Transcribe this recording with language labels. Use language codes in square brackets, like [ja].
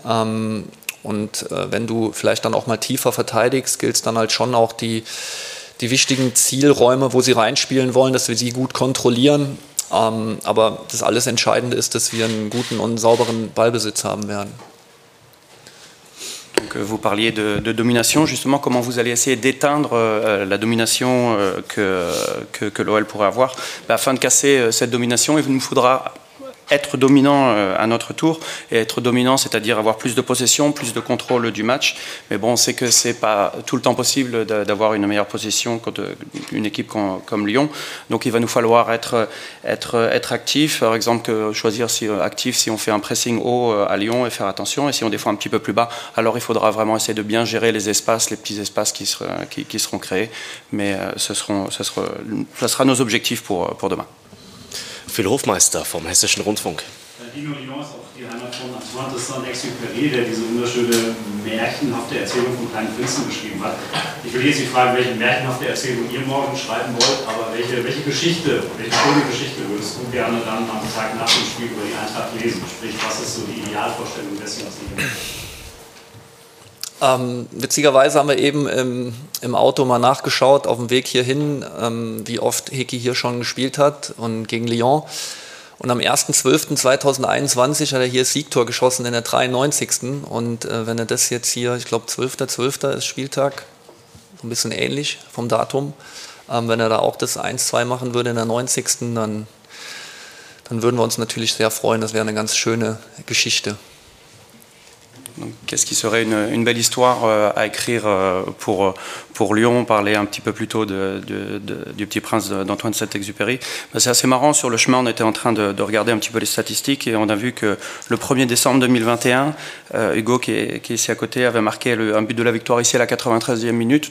[de] Und wenn du vielleicht dann auch mal tiefer verteidigst, gilt es dann halt schon auch die wichtigen Zielräume, wo sie reinspielen wollen, dass wir sie gut kontrollieren. Aber das alles Entscheidende ist, dass wir einen guten und sauberen Ballbesitz haben werden. [fr] Donc, vous parliez de domination, justement, comment vous allez essayer d'éteindre la domination que l'OL pourrait avoir, afin de casser cette domination, il nous faudra être dominant à notre tour, et être dominant, c'est-à-dire avoir plus de possession, plus de contrôle du match. Mais bon, on sait que ce n'est pas tout le temps possible d'avoir une meilleure possession contre une équipe comme Lyon. Donc il va nous falloir être actif, par exemple, choisir si actif si on fait un pressing haut à Lyon et faire attention. Et si on défend un petit peu plus bas, alors il faudra vraiment essayer de bien gérer les espaces, les petits espaces qui seront créés. Mais ce sera nos objectifs pour demain. [de] Phil Hofmeister vom Hessischen Rundfunk. Dino Lyon ist auch die Heimat von Antoine de Saint-Exupéry, der diese wunderschöne märchenhafte Erzählung vom kleinen Prinzen geschrieben hat. Ich will jetzt nicht fragen, welche märchenhafte Erzählung ihr morgen schreiben wollt, aber welche schöne Geschichte würdest du gerne dann am Tag nach dem Spiel über die Eintracht lesen? Sprich, was ist so die Idealvorstellung dessen, was ihr macht? Witzigerweise haben wir eben im Auto mal nachgeschaut, auf dem Weg hierhin, wie oft Hickey hier schon gespielt hat und gegen Lyon. Und am 1.12.2021 hat er hier das Siegtor geschossen in der 93. Und wenn er das jetzt hier, ich glaube 12.12. ist Spieltag, so ein bisschen ähnlich vom Datum, wenn er da auch das 1-2 machen würde in der 90., dann würden wir uns natürlich sehr freuen. Das wäre eine ganz schöne Geschichte. [fr] Donc, qu'est-ce qui serait une belle histoire à écrire pour Lyon? On parlait un petit peu plus tôt du petit prince d'Antoine de Saint-Exupéry. C'est assez marrant, sur le chemin, on était en train de regarder un petit peu les statistiques et on a vu que le 1er décembre 2021, Hugo, qui est ici à côté, avait marqué un but de la victoire ici à la 93e minute.